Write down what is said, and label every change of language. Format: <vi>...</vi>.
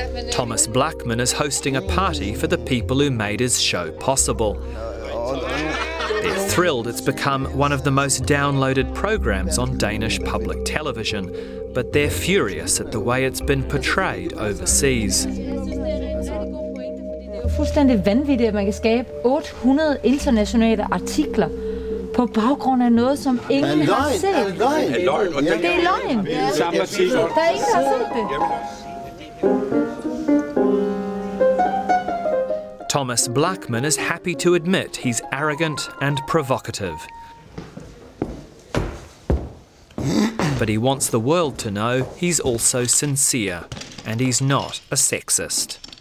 <en>Thomas Blackman is hosting a party for the people who made his show possible. They're thrilled it's become one of the most downloaded programs on Danish public television, but they're furious at the way it's been portrayed overseas.</en> <da>Fuldstændig vanvittigt, at man kan skabe 800 internationale artikler på baggrund af noget, som ingen løgn, har set. Er løgn. Er løgn. Ja. Det er løgn. Ja. Der er ingen, der har set det.</da> <en>Thomas Blackman is happy to admit he's arrogant and provocative. But he wants the world to know he's also sincere, and he's not a sexist.</en>